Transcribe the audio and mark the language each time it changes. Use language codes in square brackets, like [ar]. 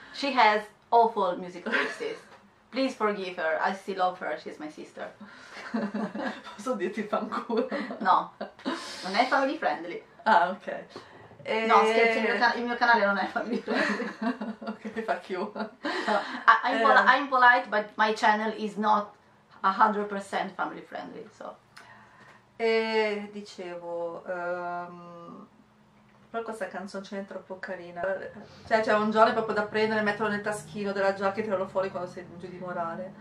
[en] She has awful musical taste. Please forgive her, I still love her, she's my sister. [it] Posso dirti fanculo? No, non è [en] family friendly. [it] Ah, ok. No, scherzo, il mio canale non è [en] family friendly. [it] Ok, mi fa più. [en] I'm polite, but my channel is not 100% family friendly, so... [it] E dicevo, però questa canzone c'è troppo carina. Cioè c'è un giorno proprio da prendere, metterlo nel taschino della giacca e tirarlo fuori quando sei giù di morale.